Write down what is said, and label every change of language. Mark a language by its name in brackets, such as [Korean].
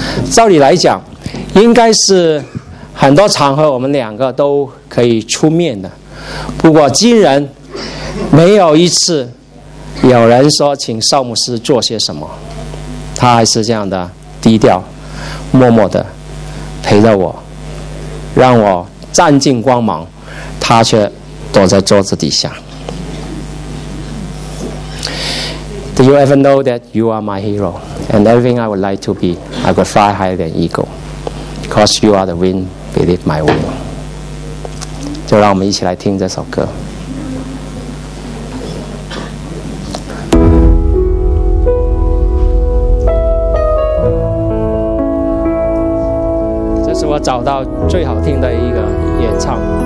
[Chinese] 照理来讲，应该是很多场合我们两个都可以出面的，不过今人没有一次有人说请邵牧师做些什么，他还是这样的低调默默的陪着我，让我占尽光芒，他却躲在桌子底下。 [English] Do you ever know that you are my hero? And everything I would like to be, I could fly higher than eagle. Because you are the wind beneath my wing. [Chinese] 就让我们一起来听这首歌。我找到最好听的一个演唱，